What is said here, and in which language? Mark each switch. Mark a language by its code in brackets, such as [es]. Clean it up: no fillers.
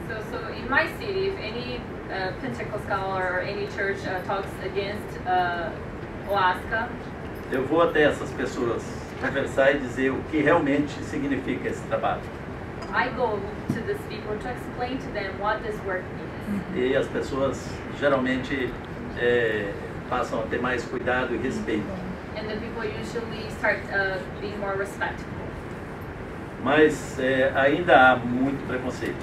[en] so in my city, if any Pentecostal or any church talks against ayahuasca, [pt] eu vou até essas pessoas conversar e dizer o que realmente significa esse trabalho. [en] I go to these people to explain to them what this work means. [pt] E as pessoas geralmente passam a ter mais cuidado e respeito. [en] And the people usually start being more respectful. [pt] Mas ainda há muito preconceito.